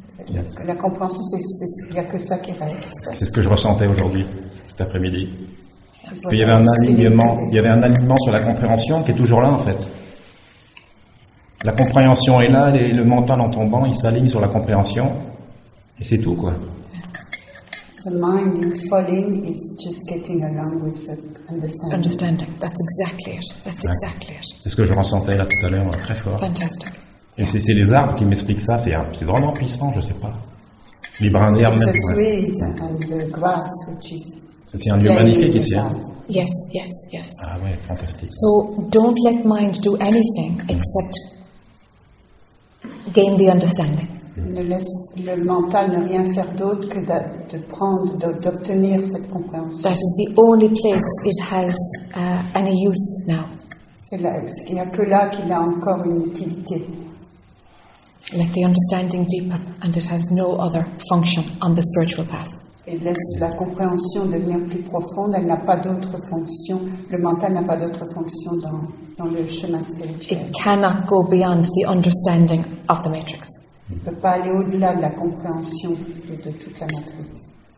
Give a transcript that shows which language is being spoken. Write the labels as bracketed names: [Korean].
[French] Yes. La compréhension, c'est il n'y a que ça qui reste. C'est ce que je ressentais aujourd'hui, cet après-midi. Il y avait un alignement. Il y avait un alignement sur la compréhension qui est toujours là en fait. La compréhension est là, et le mental en tombant, il s'aligne sur la compréhension, et c'est tout quoi. [English] The mind in falling is just getting along with the understanding. Understanding. That's exactly it. That's exactly it. [French] C'est ce que je ressentais là tout à l'heure, très fort. [English] Fantastic. [French] Et c'est les arbres qui m'expliquent ça, c'est vraiment puissant, je ne sais pas. Les brins d'herbe même. [English] Ouais. And the grass, which is [French] c'est un lieu magnifique ici. Hein. [English] Yes, yes, yes. [French] Ah ouais, fantastique. [English] So, don't let mind do anything except gain the understanding. [French] Ne laisse le mental ne rien faire d'autre que d'obtenir cette compréhension. [English] That is the only place it has any use now. [French] Il n'y a que là qu'il a encore une utilité. [English] Let the understanding deepen, and it has no other function on the spiritual path. [French] Et laisse la compréhension devenir plus profonde. Elle n'a pas d'autre fonction. Le mental n'a pas d'autre fonction dans le chemin spirituel. [English] It cannot go beyond the understanding of the matrix. [French] Il ne peut pas aller au-delà de la compréhension de toute la matrice.